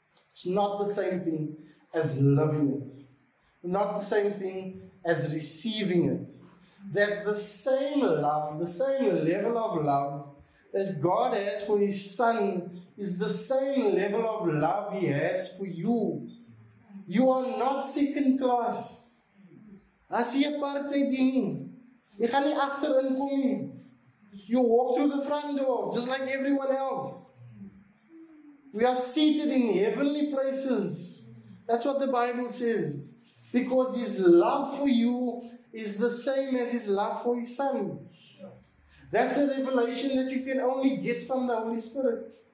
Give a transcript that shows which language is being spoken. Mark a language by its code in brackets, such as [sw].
[en] It's not the same thing as loving it. Not the same thing as receiving it. That the same love, the same level of love that God has for his Son is the same level of love he has for you. You are not second class. As he apartheid in you. [nl] Ik ga niet achter en kom in. [en] You walk through the front door just like everyone else. We are seated in heavenly places. That's what the Bible says. Because his love for you is the same as his love for his Son. That's a revelation that you can only get from the Holy Spirit.